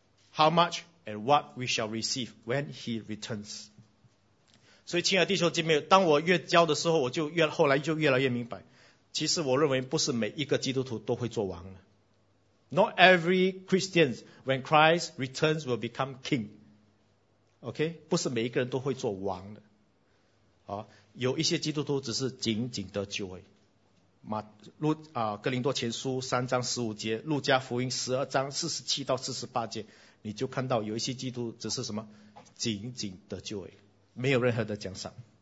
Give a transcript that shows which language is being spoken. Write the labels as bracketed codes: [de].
[en] how much and what we shall receive when he returns. [zh] 所以亲爱的弟兄姐妹，当我越教的时候，我就越后来就越来越明白，其实我认为不是每一个基督徒都会做王的。 [en] Not every Christian, when Christ returns, will become king. Okay? [zh] 不是每一个人都会做王的。啊，有一些基督徒只是仅仅得救而已。哥林多前书三章十五节，路加福音十二章四十七到四十八节，你就看到有一些基督徒只是什么仅仅得救而已，没有任何的奖赏。